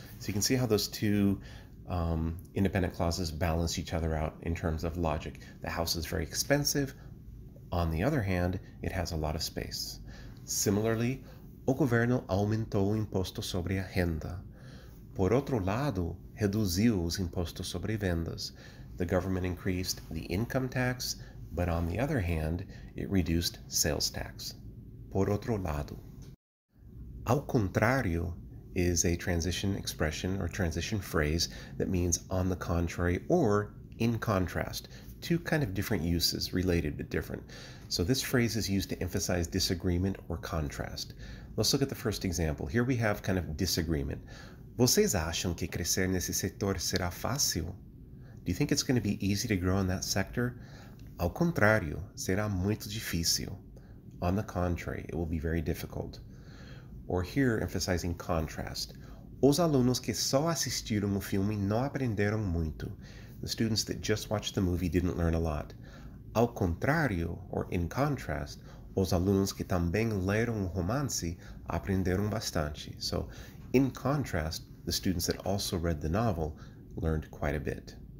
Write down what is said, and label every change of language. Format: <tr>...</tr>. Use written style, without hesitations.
<en>So you can see how those two independent clauses balance each other out in terms of logic. The house is very expensive. On the other hand, it has a lot of space.</en> <pt>Similarly, o governo aumentou o imposto sobre a renda. Por outro lado, reduziu os impostos sobre vendas.</pt> <en>The government increased the income tax, but on the other hand, it reduced sales tax.</en> <pt>Por outro lado.</pt> <en>Ao contrário is a transition expression or transition phrase that means on the contrary or in contrast. Two kind of different uses, related but different. So this phrase is used to emphasize disagreement or contrast. Let's look at the first example. Here we have kind of disagreement.</en> <pt>Vocês acham que crescer nesse setor será fácil?</pt> <en>Do you think it's going to be easy to grow in that sector?</en> <pt>Ao contrário, será muito difícil.</pt> <en>On the contrary, it will be very difficult. Or here, emphasizing contrast.</en> <pt>Os alunos que só assistiram o filme não aprenderam muito.</pt> <en>The students that just watched the movie didn't learn a lot.</en> <pt>Ao contrário,</pt> <en>or in contrast,</en> <pt>os alunos que também leram o romance aprenderam bastante.</pt> <en>So, in contrast, the students that also read the novel learned quite a bit.</en>